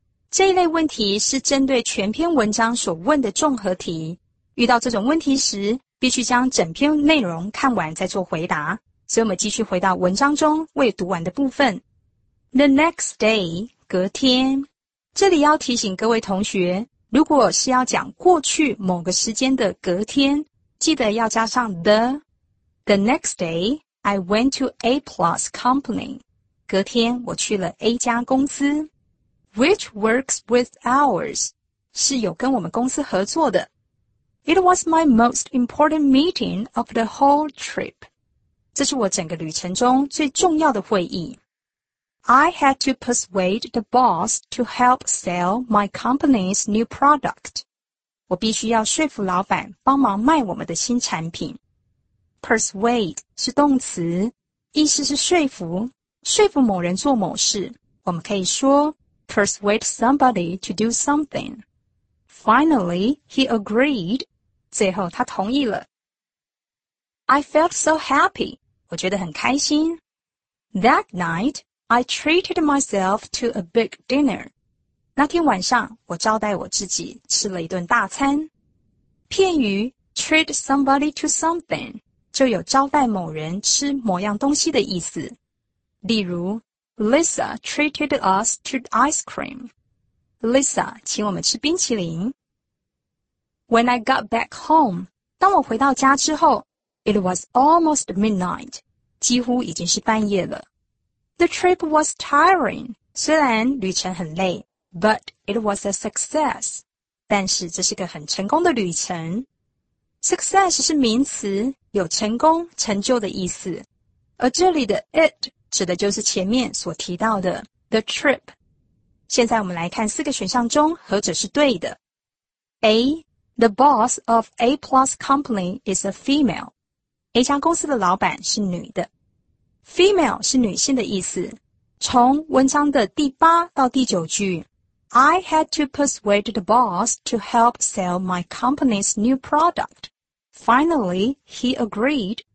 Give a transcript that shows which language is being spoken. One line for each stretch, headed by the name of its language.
Chinese: 这一类问题是针对全篇文章所问的综合题，遇到这种问题时必须将整篇内容看完再做回答，所以我们继续回到文章中未读完的部分。 The next day, 隔天。这里要提醒各位同学，如果是要讲过去某个时间的隔天，记得要加上 the。
English: The next day, I went to A plus company.
Chinese: 隔天我去了 A 加公司。
English: Which works with ours,
Chinese: 是有跟我们公司合作的。
English: It was my most important meeting of the whole trip.
Chinese: 这是我整个旅程中最重要的会议。
English: I had to persuade the boss to help sell my company's new product.
Chinese: 我必须要说服老板帮忙卖我们的新产品。 Persuade 是动词，意思是说服，说服某人做某事。我们可以说
English: Persuade somebody to do something. Finally, he agreed.
Chinese: 最后他同意了。
English: I felt so happy.
Chinese: 我觉得很开心。
English: That night, I treated myself to a big dinner.
Chinese: 那天晚上我招待我自己吃了一顿大餐。片语 treat somebody to something 就有招待某人吃某样东西的意思。例如
English: Lisa treated us to ice cream.
Chinese: Lisa 请我们吃冰淇淋。
English: When I got back home,
Chinese: 当我回到家之后
English: it was almost midnight,
Chinese: 几乎已经是半夜了。
English: The trip was tiring,
Chinese: 虽然旅程很累
English: but it was a success.
Chinese: 但是这是个很成功的旅程。Success 是名词，有成功、成就的意思。而这里的 it,指的就是前面所提到的 the trip。现在我们来看四个选项中何者是对的。
English: A. The boss of A plus company is a female.
Chinese: A 家公司的老板是女的。 Female 是女性的意思。从文章的第八到第九句
English: I had to persuade the boss to help sell my company's new product. Finally, he agreed.